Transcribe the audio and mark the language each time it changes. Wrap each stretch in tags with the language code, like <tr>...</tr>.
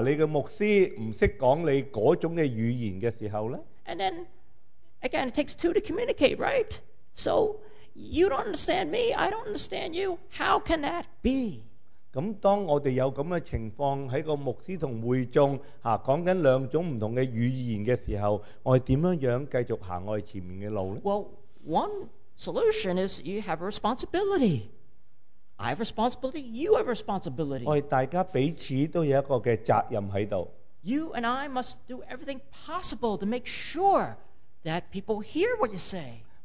<yue>你嘅牧師唔識講你嗰種嘅語言嘅時候咧？</yue> <en>And then again, it takes two to communicate, right? So you don't understand me, I don't understand you. How can that be?</en> <yue>咁當我哋有咁嘅情況喺個牧師同會眾啊講緊兩種唔同嘅語言嘅時候，我哋點樣樣繼續行我哋前面嘅路咧？</yue> <en>Well, one solution is you have a responsibility. I have responsibility. You have responsibility.</en> <yue>我哋大家彼此都有一個嘅責任喺度。</yue> <en>You and I must do everything possible to make sure that people hear what you say.</en>